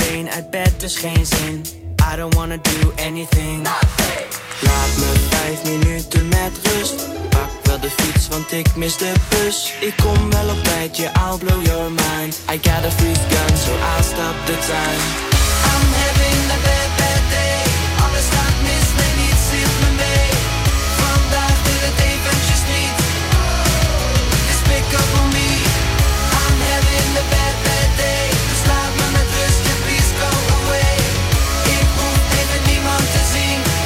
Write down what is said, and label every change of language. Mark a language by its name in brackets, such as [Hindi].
[Dutch] Laat me 5 minuten met rust. Pak wel de fiets, want ik mis de bus. Ik kom wel op tijd, [English] yeah, I'll blow your mind. I got a freeze gun, so I'll stop the time. I'm having a bad, bad day. [Dutch] Alles gaat mis, nee, niets zit me mee. Vandaag wil het eventjes niet. [English] It's pick up on me. I'm having a bad, bad day. [Dutch] Dus laat me met rust, [English] yeah, please go away. [Dutch] Ik hoef even niemand te zien.